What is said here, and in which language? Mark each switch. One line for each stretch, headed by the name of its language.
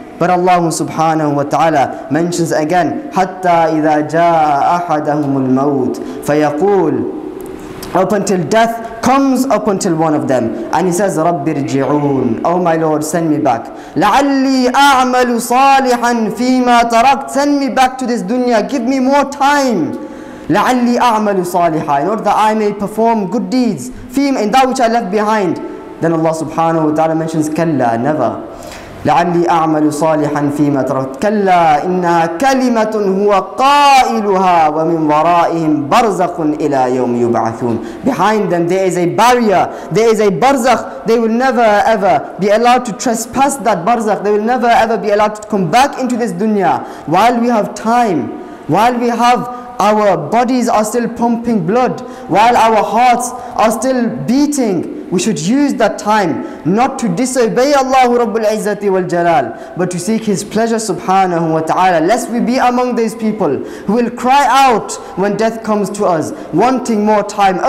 English: But Allah subhanahu wa ta'ala mentions again,
Arabic: حَتَّى إِذَا جَاءَ أَحَدَهُمُ الْمَوْتِ فَيَقُولُ,
English: up until death comes up until one of them, and he says,
Arabic: رَبِّ ارْجِعُونَ,
English: oh my Lord, send me back.
Arabic: لَعَلِّي أَعْمَلُ صَالِحًا فِي مَا تَرَكْتُ,
English: send me back to this dunya, give me more time.
Arabic: لَعَلِّي أَعْمَلُ صَالِحًا,
English: in order that I may perform good deeds,
Arabic: فِي مَا,
English: in that which I left behind. Then Allah subhanahu wa ta'ala mentions, كَلَّا, never.
Arabic: لعلي أعمل صالحا فيما تركت. كلا إنها كلمة هو قائلها ومن ورائهم برزخ إلى يوم يبعثون.
English: Behind them there is a barrier, there is a barzakh. They will never ever be allowed to trespass that barzakh. They will never ever be allowed to come back into this dunya. While we have time, while we have our bodies are still pumping blood, while our hearts are still beating, we should use that time not to disobey Allah Rabbul Izzati wal Jalal, but to seek His pleasure subhanahu wa ta'ala, lest we be among those people who will cry out when death comes to us, wanting more time.